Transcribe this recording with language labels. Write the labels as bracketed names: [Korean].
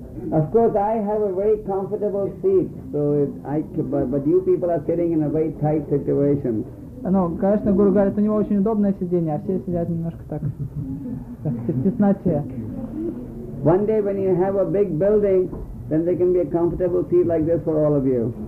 [English] Of course, I have a very comfortable seat, so but you people are sitting in a very tight situation. [Russian] Ну, конечно, Гуру говорит, у него очень удобное сидение, а все сидят немножко так, в тесноте. [English] One day when you have a big building, then there can be a comfortable seat like this for all of you.